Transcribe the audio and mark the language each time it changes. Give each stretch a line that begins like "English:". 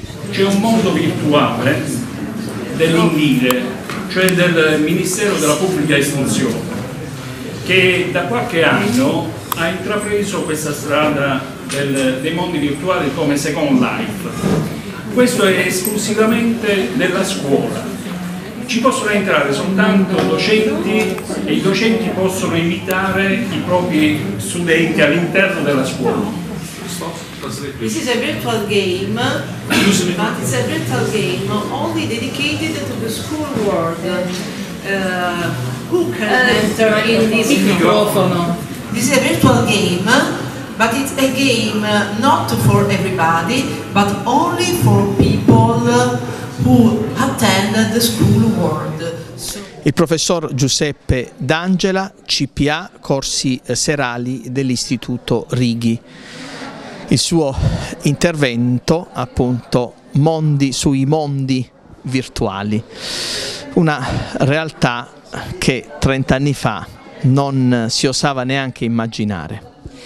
Italian: C'è un mondo virtuale dell'INDIRE, cioè del Ministero della Pubblica Istruzione, che da qualche anno ha intrapreso questa strada dei mondi virtuali come Second Life. Questo è esclusivamente nella scuola. Ci possono entrare soltanto docenti e i docenti possono invitare i propri studenti all'interno della scuola.
English: This is a virtual game, but it's a virtual game only dedicated to the school world. Who can enter in this microphone? This is a virtual game, but it's a game not for everybody, but only for people who attend the school world.
Italian: Il professor Giuseppe D'Angela, CPA, corsi serali dell'Istituto Righi. Il suo intervento, appunto, mondi sui mondi virtuali, una realtà che 30 anni fa non si osava neanche immaginare.